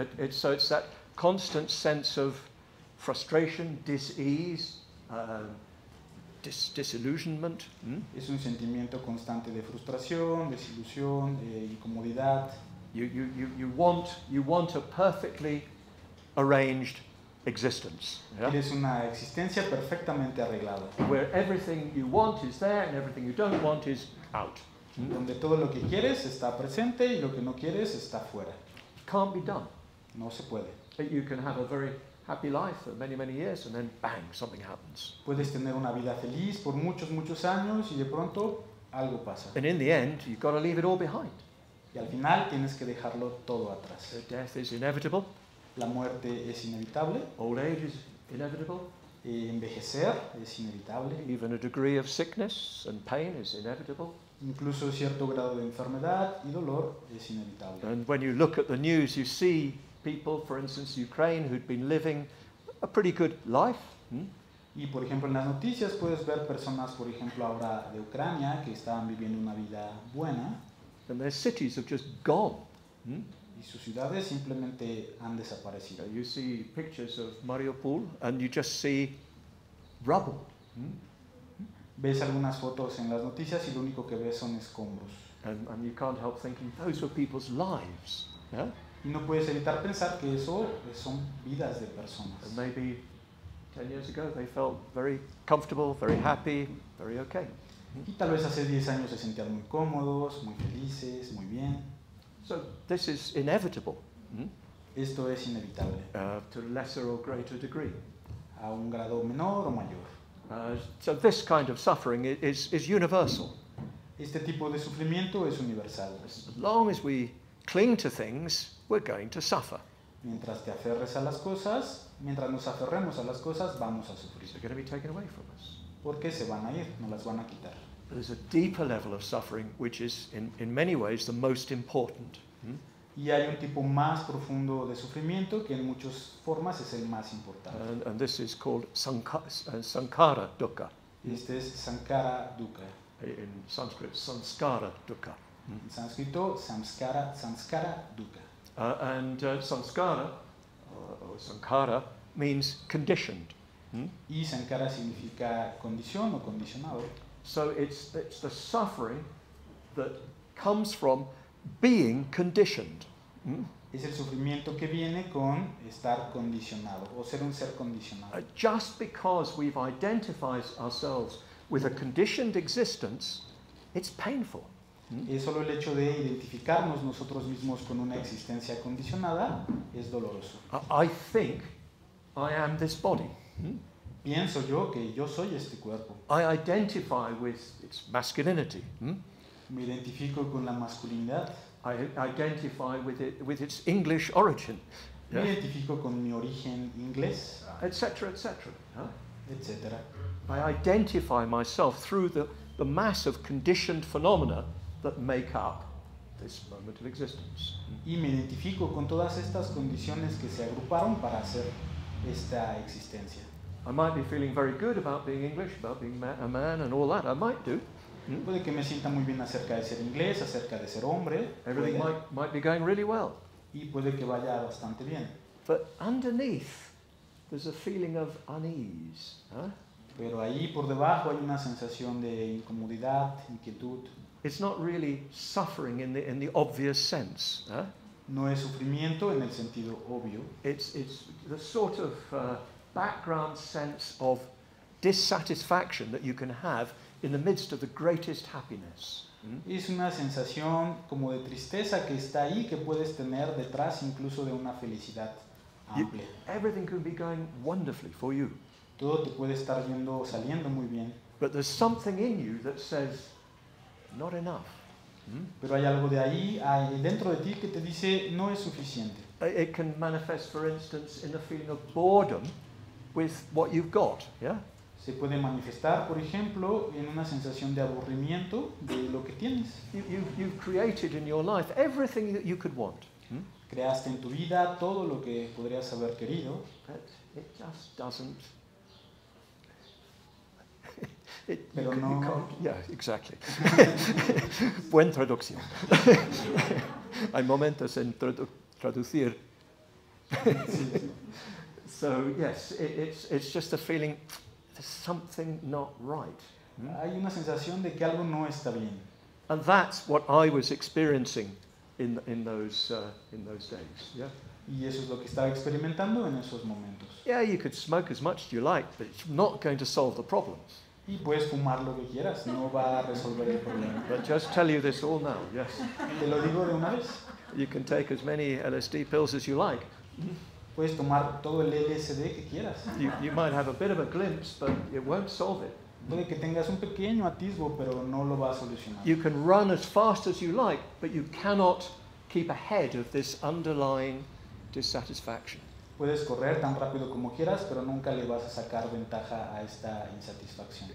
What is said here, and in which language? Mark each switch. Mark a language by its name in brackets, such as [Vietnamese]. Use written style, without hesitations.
[English] So it's that constant sense of frustration, dis-ease, disillusionment. [Spanish] Es un sentimiento constante de frustración, desilusión, de incomodidad. [English] You want a perfectly arranged existence. [Spanish] Tienes una existencia perfectamente arreglada. [English] Where everything you want is there and everything you don't want is out. [Spanish] Donde todo lo que quieres está presente y lo que no quieres está fuera. [English] Can't be done. [Spanish] No se puede. [English] But you can have a very happy life for many, many years and then bang, something happens. [Spanish] Puedes tener una vida feliz por muchos, muchos años y de pronto algo pasa. [English] And in the end, you've got to leave it all behind. [Spanish] Y al final tienes que dejarlo todo atrás. [English] The death is inevitable. [Spanish] La muerte es inevitable. [English] Old age is inevitable. [Spanish] Y envejecer es inevitable. [English] Even a degree of sickness and pain is inevitable. [Spanish] Incluso cierto grado de enfermedad y dolor es inevitable. [English] And when you look at the news, you see people, for instance, Ukraine, who'd been living a pretty good life. [Spanish] Y por ejemplo, en las noticias puedes ver personas, por ejemplo, ahora de Ucrania, que estaban viviendo una vida buena. [English] And their cities have just gone. [Spanish] Y sus ciudades simplemente han desaparecido. [English] You see pictures of Mariupol and you just see rubble. [Spanish] Ves algunas fotos en las noticias y lo único que ves son escombros. [English] And you can't help thinking those are people's lives. [Spanish] Y no puedes evitar pensar que eso son vidas de personas. [English] And maybe 10 years ago they felt very comfortable, very happy, very okay. [Spanish] Y tal vez hace 10 años se sentían muy cómodos, muy felices, muy bien. [English] So this is inevitable. [Spanish] Esto es inevitable. [English] To a lesser or greater degree. [Spanish] A un grado menor o mayor. [English] So this kind of suffering is universal. [Spanish] Este tipo de sufrimiento es universal. [English] As long as we cling to things, we're going to suffer. [Spanish] Mientras te aferres a las cosas, mientras nos aferremos a las cosas, vamos a sufrir. [English] They're going to be taken away from us. [Spanish] Porque se van a ir, no las van a quitar. [English] There's a deeper level of suffering which is in many ways the most important. [Spanish] Y hay un tipo más profundo de sufrimiento que en muchas formas es el más importante. [English] And this is called sankhara dukkha. [Spanish] Este es sankhara dukkha. [English] In Sanskrit, sanskara dukkha. [Spanish] En sánscrito, sanskara dukkha. [English] Sanskara or sankhara means conditioned. [Spanish] Y sankhara significa condición o condicionado. [English] So it's the suffering that comes from being conditioned. [Spanish] Es el sufrimiento que viene con estar condicionado o ser un ser condicionado. [English] Just because we've identified ourselves with a conditioned existence, it's painful. [Spanish] Es solo el hecho de identificarnos nosotros mismos con una existencia condicionada es doloroso. [English] I think I am this body. [Spanish] Pienso yo que yo soy este cuerpo. [English] I identify with its masculinity. [Spanish] Me identifico con la masculinidad. [English] I identify with it with its English origin. [Spanish] Me identifico con mi origen inglés. [English] Etc. Etc. [Spanish] Etc. [English] I identify myself through the mass of conditioned phenomena that make up this moment of existence. [Spanish] Y me identifico con todas estas condiciones que se agruparon para hacer esta existencia. [English] I might be feeling very good about being English, about being a man and all that. I might do. [Spanish] Puede que me sienta muy bien acerca de ser inglés, acerca de ser hombre. [English] Everything might be going really well. [Spanish] Y puede que vaya bastante bien. [English] But underneath, there's a feeling of unease. [Spanish] Pero ahí por debajo hay una sensación de incomodidad, inquietud. [English] It's not really suffering in the obvious sense. [Spanish] No es sufrimiento en el sentido obvio. [English] It's the sort of background sense of dissatisfaction that you can have in the midst of the greatest happiness. [Spanish] Es una sensación como de tristeza que está ahí que puedes tener detrás incluso de una felicidad amplia. [English] Everything can be going wonderfully for you. [Spanish] Todo te puede estar yendo saliendo muy bien. [English] But there's something in you that says not enough. [Spanish] Pero hay algo de ahí dentro de ti que te dice no es suficiente. [English] It can manifest, for instance, in the feeling of boredom with what you've got, yeah? [Spanish] Se puede manifestar, por ejemplo, en una sensación de aburrimiento de lo que tienes. [English] You've created in your life everything that you could want. [Spanish] Creaste en tu vida todo lo que podrías haber querido. [English] But it just doesn't. [Spanish] Pero no. [English] Yeah, exactly. [Spanish] Buen traducción. Hay momentos en traducir. [English] So yes, it's just a feeling there's something not right. [Spanish] Hay una sensación de que algo no está bien. [English] And that's what I was experiencing in those days. Yeah. [Spanish] Y eso es lo que estaba experimentando en esos momentos. [English] Yeah, you could smoke as much as you like, but it's not going to solve the problems. [Spanish] Y puedes fumar lo que quieras, no va a resolver el problema. [English] But just tell you this all now, yes. [Spanish] Te lo digo de una vez. [English] You can take as many LSD pills as you like. [Spanish] Puedes tomar todo el LSD que quieras. [English] You might have a bit of a glimpse, but it won't solve it. [Spanish] Puede que tengas un pequeño atisbo, pero no lo va a solucionar. [English] You can run as fast as you like, but you cannot keep ahead of this underlying dissatisfaction. [Spanish] Puedes correr tan rápido como quieras, pero nunca le vas a sacar ventaja a esta insatisfacción.